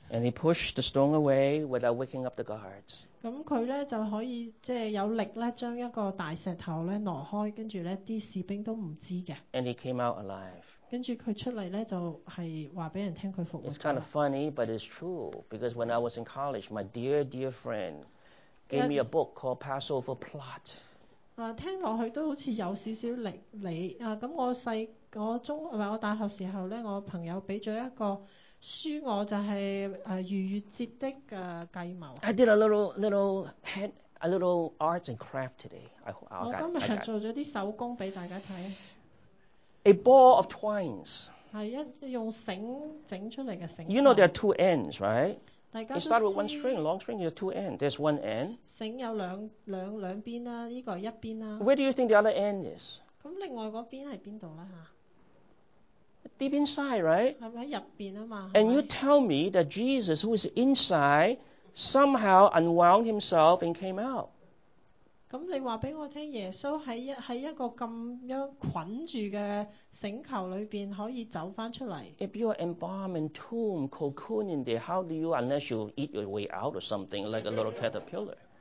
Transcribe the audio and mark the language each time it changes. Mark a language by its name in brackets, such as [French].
[English] And he pushed the stone away without waking up the guards. [Chinese] 他就可以有力将一个大石头挪开,然后士兵都不知道。 [English] And he came out alive. [Chinese] 然后他出来就是告诉人家他复活了。 [English] It's kind of funny, but it's true. Because when I was in college, my dear, dear friend gave me a book called Passover Plot. [Chinese] 听上去都好像有一点点力。我大学时候朋友给了一个书,就是逾越节的计谋。 [English] I did a little arts and craft today. I got [Chinese] 我今天做了一些手工给大家看。 [English] A ball of twines. [Chinese] 是用繩子做出來的繩子。 [English] You know there are two ends, right? It starts with one string, long string, there are two ends. There's one end. [Chinese] 繩子有兩邊,這個是一邊。 [English] Where do you think the other end is? [Chinese] 那另外那邊是哪裡呢? [English] Deep inside, right? [Chinese] 是不是在裡面嘛? [English] And you tell me that Jesus, who is inside, somehow unwound himself and came out. [Chinese] 那你告訴我,耶穌在一個這樣捆住的繩扣裡面可以走出來。 [English] If you are embalmed in tomb, cocoon in there, how do you, unless you eat your way out or something, like a little caterpillar?